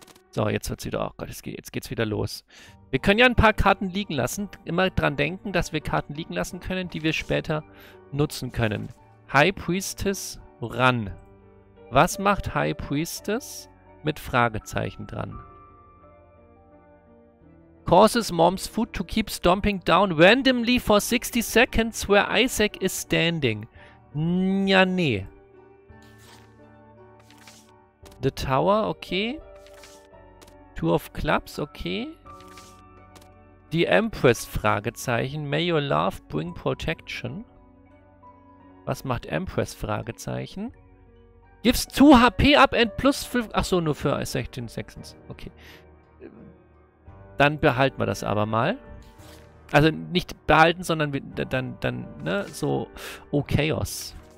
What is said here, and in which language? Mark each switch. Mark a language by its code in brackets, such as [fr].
[de] So, jetzt wird's wieder. Oh Gott, jetzt geht's wieder los. Wir können ja ein paar Karten liegen lassen. Immer dran denken, dass wir Karten liegen lassen können, die wir später nutzen können. High Priestess Run. Was macht High Priestess mit Fragezeichen dran? [en] Causes Mom's Foot to keep stomping down randomly for 60 seconds where Isaac is standing. [de] Ja, nee. [en] The Tower, okay. Two of Clubs, okay. [de] The Empress, Fragezeichen. [en] May your love bring protection. [de] Was macht Empress, Fragezeichen? [en] Gives 2 HP up and plus 5... [de] Achso, nur für 16 Seconds. Okay. Dann behalten wir das aber mal. Also nicht behalten, sondern dann, ne, so... Oh, Chaos.